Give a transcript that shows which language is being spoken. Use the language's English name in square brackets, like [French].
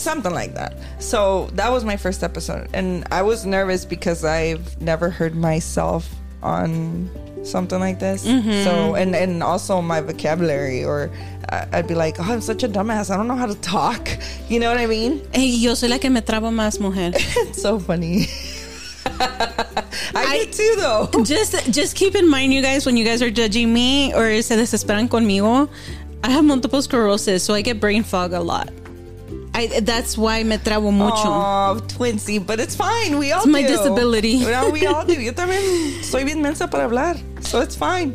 [English] Something like that. So that was my first episode. And I was nervous because I've never heard myself on something like this. Mm-hmm. So and also my vocabulary, or I'd be like, oh, I'm such a dumbass, I don't know how to talk, you know what I mean? [Spanish] Hey, yo soy la que me trabo más, mujer. [English] So funny. I do too, though. Just keep in mind, you guys, when you guys are judging me or [Spanish] se desesperan conmigo, [English] I have multiple sclerosis, so I get brain fog a lot. [Spanish] That's why me trabo mucho. [English] Oh, twinsy, but it's fine. We all do. It's my disability. No, we all do. [Spanish] Yo también soy bien mensa para hablar. [English] So it's fine.